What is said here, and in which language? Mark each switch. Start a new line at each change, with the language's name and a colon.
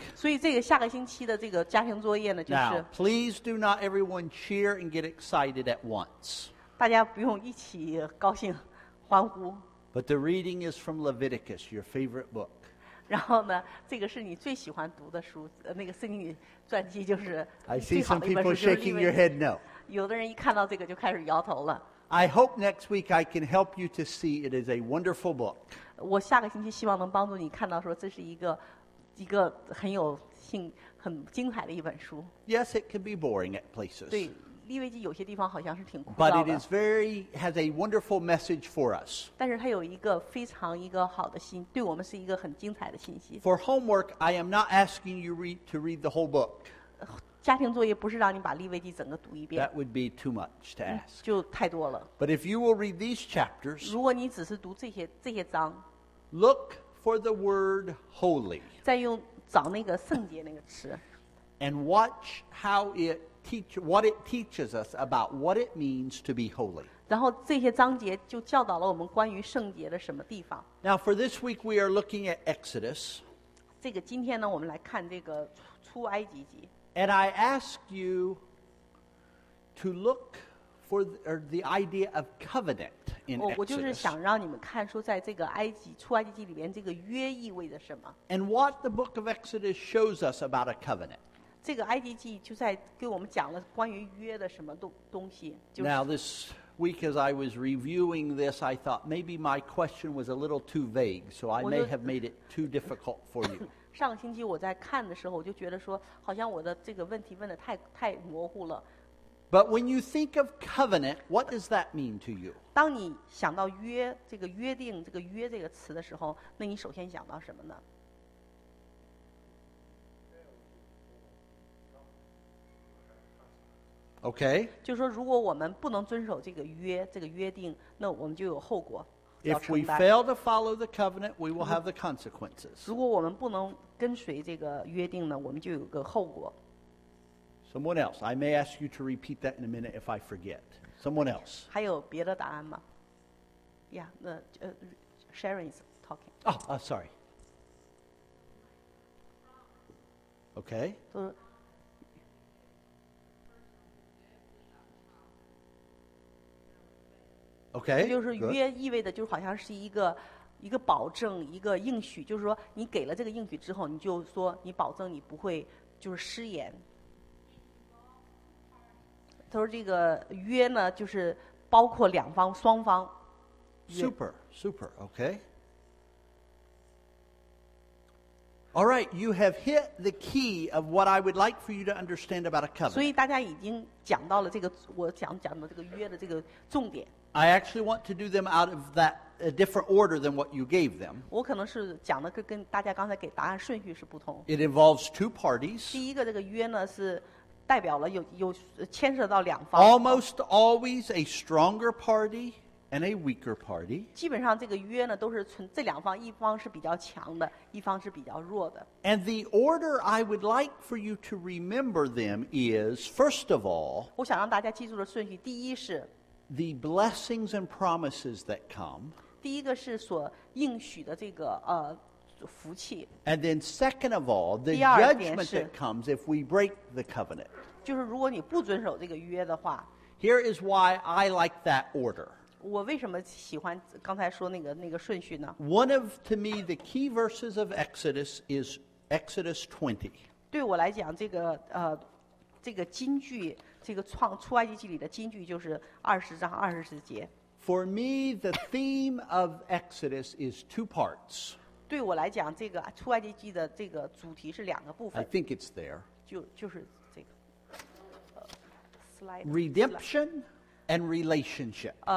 Chinese: 所以这个下个星期的这个家庭作业呢，就是
English: Now, please do not everyone cheer and get excited at once.
Chinese: 大家不用一起高兴欢呼。
English: But the reading is from Leviticus, your favorite book.
Chinese: 然后呢，这个是你最喜欢读的书，那个圣经传记就是最好的一本书。
English: I see some people shaking your head no.
Chinese: 有的人一看到这个就开始摇头了。
English: I hope next week I can help you to see it is a wonderful book.
Chinese: 我下个星期希望能帮助你看到说这是一个很有性很精彩的一本书。
English: Yes, it can be boring at places.
Chinese: 对，利未记有些地方好像是挺枯燥的。
English: But it is very has a wonderful message for us.
Chinese: 但是它有一个非常一个好的信，对我们是一个很精彩的信息。
English: For homework, I am not asking you to read the whole book.
Chinese: 家庭作业不是让你把利未记整个读一遍。
English: That would be too much to ask.
Chinese: 就太多了。
English: But if you will read these chapters,
Chinese: 如果你只是读这些章
English: ，look for the word holy.
Chinese: 再用找那个圣洁那个词。
English: And watch how it what it teaches us about what it means to be holy.
Chinese: 然后这些章节就教导了我们关于圣洁的什么地方。
English: Now for this week we are looking at Exodus.
Chinese: 这个今天呢，我们来看这个出埃及记。
English: And I ask you to look for the idea of covenant in Exodus.
Chinese: 我就是想让你们看说在这个埃及出埃及记里面这个约意味着什么。
English: And what the book of Exodus shows us about a covenant.
Chinese: 这个埃及记就在给我们讲了关于约的什么东西。
English: Now this week as I was reviewing this, I thought maybe my question was a little too vague, so I may have made it too difficult for you.
Chinese: 上个星期我在看的时候，我就觉得说，好像我的这个问题问得太模糊了。
English: But when you think of covenant, what does that mean to you?
Chinese: 当你想到约这个约定这个约这个词的时候，那你首先想到什么呢？
English: Okay.
Chinese: 就说如果我们不能遵守这个约定，那我们就有后果。
English: If we fail to follow the covenant, we will have the consequences.
Chinese: 如果我们不能跟随这个约定呢，我们就有个后果。
English: Someone else. I may ask you to repeat that in a minute if I forget. Someone else.
Chinese: 还有别的答案吗？
English: Yeah, Sharon is talking. Oh, sorry. Okay. Okay,
Chinese: 就是约意味的就好像是一个保证一个应许，就是说你给了这个应许之后，你就说你保证你不会就是失言。他说这个约呢就是包括两方双方。
English: Super, super, okay. All right, you have hit the key of what I would like for you to understand about a covenant.
Chinese: 所以大家已经讲到了这个我想讲的这个约的这个重点。
English: I actually want to do them out of that a different order than what you gave them.
Chinese: 我可能是讲的跟大家刚才给答案顺序是不同。
English: It involves two parties.
Chinese: 第一个这个约呢是代表了有牵涉到两方。
English: Almost always a stronger party and a weaker party.
Chinese: 基本上这个约呢都是从这两方，一方是比较强的，一方是比较弱的。
English: And the order I would like for you to remember them is, first of all,
Chinese: 我想让大家记住的顺序，第一是
English: The blessings and promises that come.
Chinese: 第一个是所应许的这个福气。
English: And then second of all, the judgment that comes if we break the covenant.
Chinese: 就是如果你不遵守这个约的话。
English: Here is why I like that order.
Chinese: 我为什么喜欢刚才说那个顺序呢？
English: One of, to me, the key verses of Exodus is Exodus 20.
Chinese: 对我来讲，这个金句。这个出埃及记里的金句就是二十章二十节。
English: For me, the theme of Exodus is two parts.
Chinese: 对我来讲，这个出埃及记的这个主题是两个部分。
English: I think it's there.
Chinese: 就是这个slide.
English: Redemption and relationship.